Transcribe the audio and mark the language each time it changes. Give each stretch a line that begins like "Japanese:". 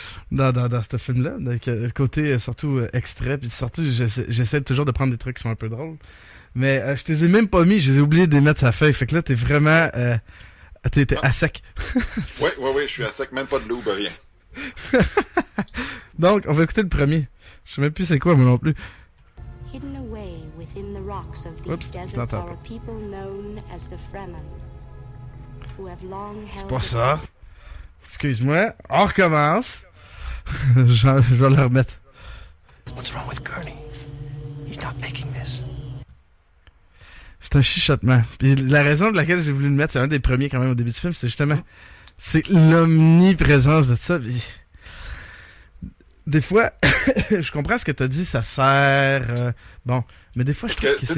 French: Dans ce film-là, côté surtout extrait, puis surtout j'essaie toujours de prendre des trucs qui sont un peu drôles. Mais je te les ai même pas mis, je les ai oubliés de les mettre sur la feuille. Fait que là, t'es vraiment. T'es à sec. Oui, je suis à sec, même pas de loup, rien. Donc, on va écouter le premier. Je sais même plus c'est quoi, moi non plus.
English: Hidden away within the rocks of these Oups, deserts
French: l'entends.
English: are a people known as the Fremen, who have long
French: C'est pas ça. Excuse-moi. On recommence. Je vais le remettre.
English: What's wrong with Gurney? He's not making this.
French: C'est un chuchotement. Puis la raison pour laquelle j'ai voulu le mettre, c'est un des premiers quand même au début du film, c'est justement, c'est l'omniprésence de ça. Puis... Des fois, je comprends ce que t'as dit, ça sert. Bon, mais des fois, Parce je trouve que, que c'est